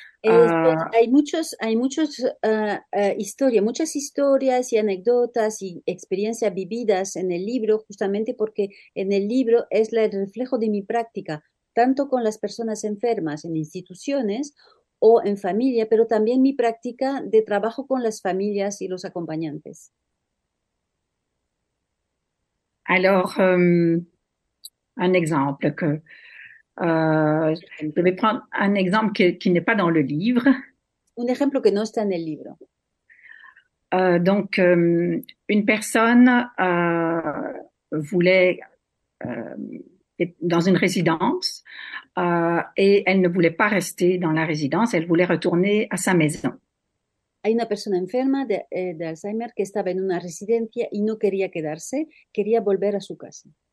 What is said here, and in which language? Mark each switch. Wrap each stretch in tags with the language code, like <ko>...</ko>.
<es>Muchas historias y anécdotas y experiencias vividas en el libro, justamente porque en el libro es el reflejo de mi práctica, tanto con las personas enfermas en instituciones o en familia, pero también mi práctica de trabajo con las familias y los acompañantes.</es> <fr>Alors, un exemple que je vais prendre un exemple qui n'est pas dans le livre.</fr> <es>Un ejemplo que no está en el libro.</es> <fr>Une personne voulait être dans une résidence et elle ne voulait pas rester dans la résidence, elle voulait retourner à sa maison.</fr> <es>Hay una persona enferma de Alzheimer que estaba en una residencia y no quería quedarse, quería volver a su casa.</es>